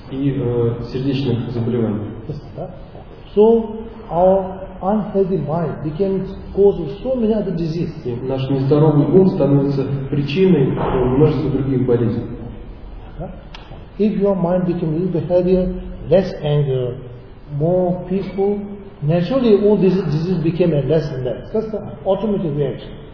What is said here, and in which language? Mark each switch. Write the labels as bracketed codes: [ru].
[ru] И сердечных заболеваний. [en] Yes, so our unhealthy mind becomes cause so many other diseases. [ru] И наш нездоровый ум становится причиной множества других болезней. [en] If your mind becomes a little bit healthier, less anger, more peaceful, Naturally, all these diseases became a less and less. That's the automatic reaction.